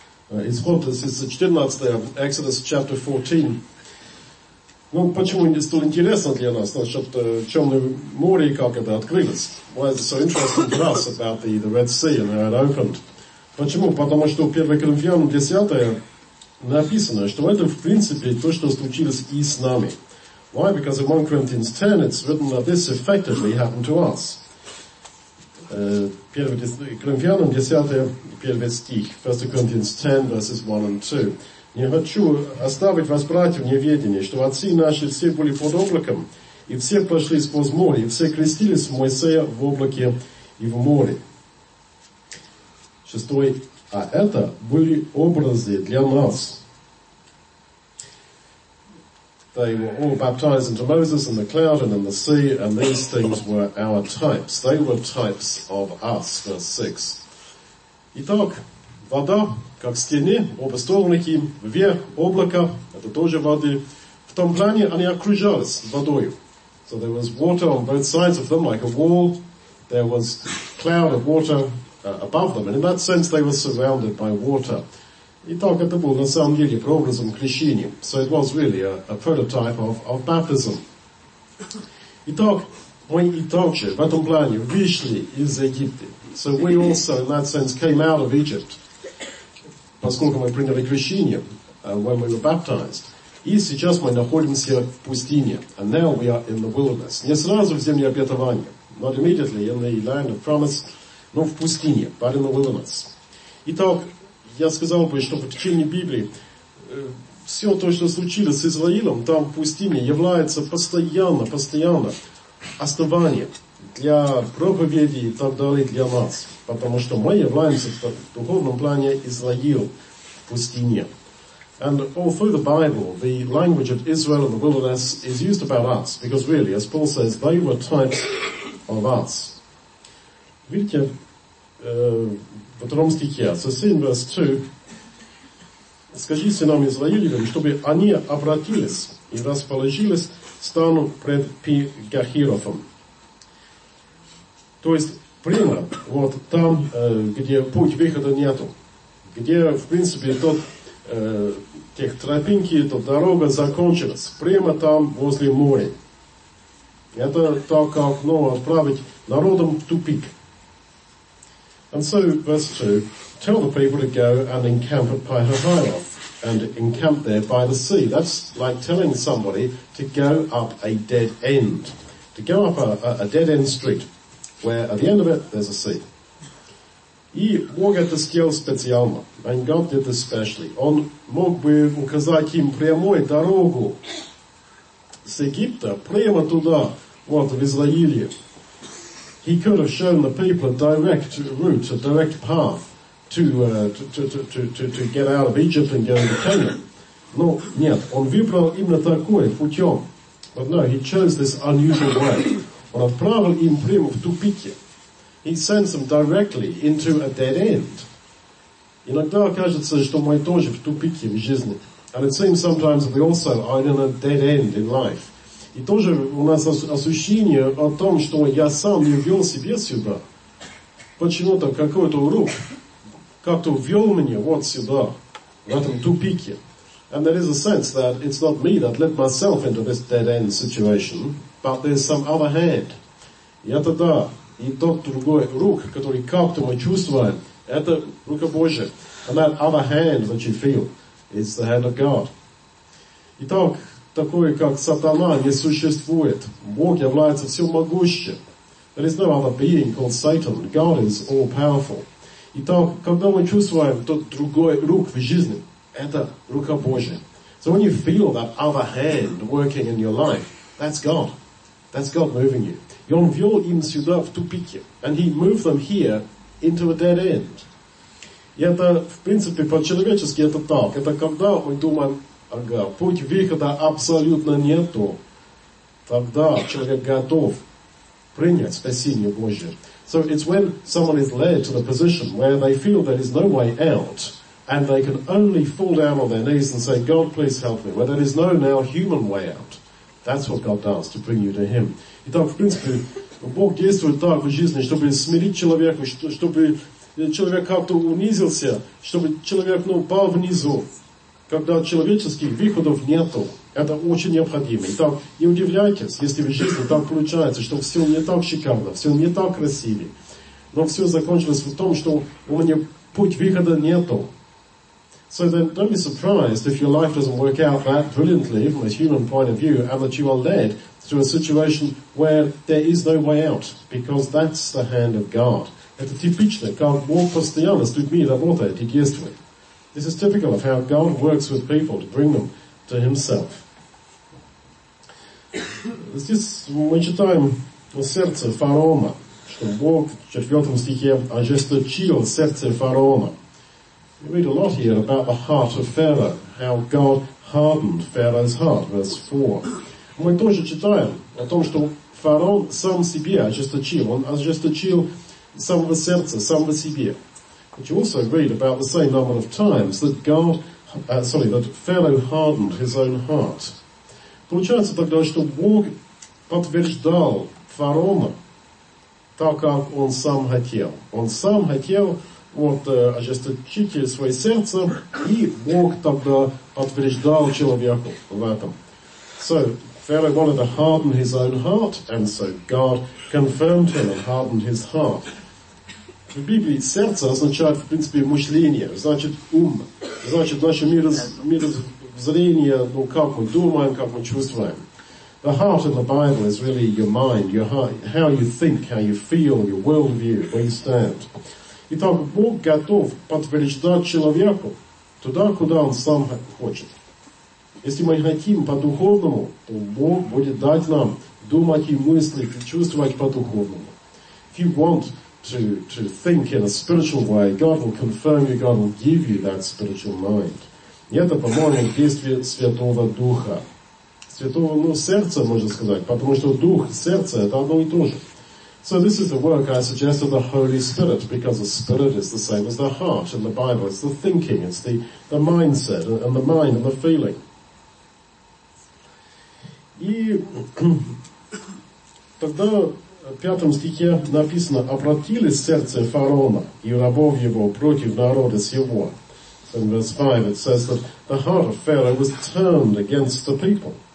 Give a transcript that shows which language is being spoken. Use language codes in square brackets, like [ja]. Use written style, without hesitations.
[ru] Из вот, [en] this is the 14th of Exodus chapter 14. [ru] Ну, почему это столь интересно для нас, значит, Чёрное море, как это открылось? [en] Why is it so interesting to us about the Red Sea and how it opened? [ru] Почему? Потому что в 1 Коринфянам 10 написано, что это, в принципе, то, что случилось и с нами. [en] Why? Because in 1 Corinthians 10 it's written that this effectively happened to us. [ru] 1 Коринфянам 10, 1 стих. [en] 1 Corinthians 10, verses 1 and 2. [ru] «Не хочу оставить вас, братья, в неведении, что отцы наши все были под облаком, и все прошли сквозь море, и все крестились в Моисея в облаке и в море». 6. «А это были образы для нас». [en] They were all baptized into Moses in the cloud and in the sea, and these things were our types. They were types of us, verse 6. [ru] Итак, вода, как стены, оба сторонники, вверх, облако, это тоже воды. В том плане они окружались водой. [en] So there was water on both sides of them, like a wall. There was cloud of water above them. And in that sense, they were surrounded by water. [ru] Итак, это был на самом деле прообразом крещения. [en] So it was really a prototype of baptism. [ru] Итак, мы и также в этом плане вышли из Египта. [en] So we also, in that sense, came out of Egypt. [ru] Поскольку мы приняли крещение, [en] when we were baptized. [ru] И сейчас мы находимся в пустыне. [en] And now we are in the wilderness. [ru] Не сразу в земле обетования. [en] Not immediately in the land of promise. [ru] Но в пустыне, [en] but in the wilderness. [ru] Итак, я сказал бы, что в течение Библии все то, что случилось с Израилем, там в пустыне, является постоянно основанием для проповеди и так далее для нас. Потому что мы являемся в духовном плане Израилем в пустыне. [en] And all through the Bible, the language of Israel and the wilderness is used about us. Because really, as Paul says, they were types of us. [ru] Видите, в втором стихе, [en] so in verse 2, [ru] скажи сынам Израилевым, чтобы они обратились и расположились стану пред Пи-Гахирофом. То есть, прямо вот там, где путь выхода нету, где, в принципе, тот, тех тропинки, тот дорога закончилась, прямо там, возле моря. Это так, как, ну, отправить народом в тупик. [en] And so, verse 2, tell the people to go and encamp at Pi-Hahiroth, and encamp there by the sea. That's like telling somebody to go up a dead end, to go up a dead end street, where at the end of it, there's a sea. [ru] И Бог это сделал специально, [en] and God did this specially. [ru] Он мог бы указать им прямую дорогу с Египта прямо туда, вот в Израиле. [en] He could have shown the people a direct route, a direct path to get out of Egypt and go into Canaan. [ru] Но нет, он выбрал именно такой путем. [en] But no, he chose this unusual way. [ru] Он отправил им прямо в тупике. [en] He sends them directly into a dead end. [ru] Иногда кажется, что мы тоже в тупике в жизни. [en] And it seems sometimes we also are in a dead end in life. [ru] И тоже у нас ощущение о том, что я сам не ввел себе сюда. Почему-то какой-то урок как-то ввел меня вот сюда, в этом тупике. [en] And there is a sense that it's not me that led myself into this dead-end situation, but there's some other hand. [ru] И это да. И тот другой рук, который как-то мы чувствуем, это рука Божия. [en] And that other hand that you feel is the hand of God. [ru] Итак, такое, как сатана, не существует. Бог является всемогущим. [en] There is no other being called Satan. God is all-powerful. [ru] Итак, когда мы чувствуем тот другой рук в жизни, это рука Божия. [en] So when you feel that other hand working in your life, that's God. That's God moving you. [ru] И он ввел им сюда в тупике. [en] And he moved them here into a dead end. [ru] И это, в принципе, по-человечески это так. Это когда мы думаем, ага, путь выхода абсолютно нету, тогда человек готов принять спасение Божие. [en] So it's when someone is led to the position where they feel there is no way out, and they can only fall down on their knees and say, God, please help me, where there is no now human way out. That's what God does, to bring you to Him. [ru] Итак, в принципе, Бог действует так в жизни, чтобы смирить человека, чтобы человек как-то унизился, чтобы человек, ну, упал внизу, когда человеческих выходов нету. Это очень необходимо. Итак, не удивляйтесь, если в жизни так получается, что все не так шикарно, все не так красиво. Но все закончилось в том, что у меня путь выхода нету. [en] So then don't be surprised if your life doesn't work out that brilliantly from a human point of view and that you are led to a situation where there is no way out, because that's the hand of God. [ru] Это типично, как Бог постоянно с людьми работает и действует. [en] This is typical of how God works with people to bring them to himself. [ru] Здесь мы читаем о сердце фараона, что Бог в 4 стихе ожесточил сердце фараона. [en] We read a lot here about the heart of Pharaoh, how God hardened Pharaoh's heart, verse 4. [ru] Мы тоже читаем о том, что фараон сам себе ожесточил, он ожесточил самого сердца, самого себе. [en] But you also read about the same number of times that that Pharaoh hardened his own heart. [ru] Получается тогда, что Бог подтверждал фараона так, как он сам хотел. Он сам хотел ожесточить свое сердце, и Бог тогда подтверждал человеку в этом. [en] So, Pharaoh wanted to harden his own heart, and so God confirmed him and hardened his heart. [ru] В Библии сердце означает, в принципе, мышление, значит, ум, значит, наше мировоззрение, ну, как мы думаем, как мы чувствуем. [en] The heart in the Bible is really your mind, your heart, how you think, how you feel, your worldview, where you stand. [ru] Итак, Бог готов подтверждать человеку туда, куда он сам хочет. Если мы хотим по-духовному, то Бог будет дать нам думать и мыслить, и чувствовать по-духовному. [en] If you want to think in a spiritual way, God will confirm you, God will give you that spiritual mind. [ru] И это, по-моему, действие Святого Духа. Святого, ну, сердца, можно сказать, потому что дух, сердце – это одно и то же. [en] So this is the work I suggest of the Holy Spirit, because the Spirit is the same as the heart in the Bible. It's the thinking, it's the mindset, and the mind, and the feeling. [ru] И тогда в 5 стихе написано, «Обратились сердце фараона и рабов его против народа сего». [en] So in verse 5 it says that the heart of Pharaoh was turned against the people.